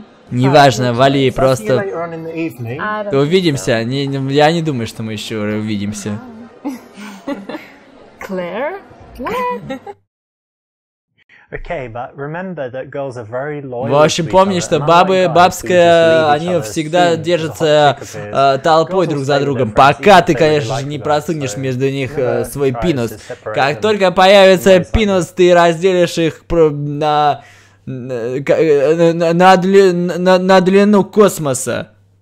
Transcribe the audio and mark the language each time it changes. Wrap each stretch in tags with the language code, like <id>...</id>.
<ru>Неважно, вали, просто увидимся. Я не думаю, что мы еще увидимся. Клэр?</ru> <en>Okay, but remember that girls are very loyal.</en> <ru>В общем, помни, что бабы, бабская, они всегда держатся толпой друг за другом, пока ты, конечно же, не просунешь между них свой пинус. Как только появится пинус, ты разделишь их на длину космоса.</ru>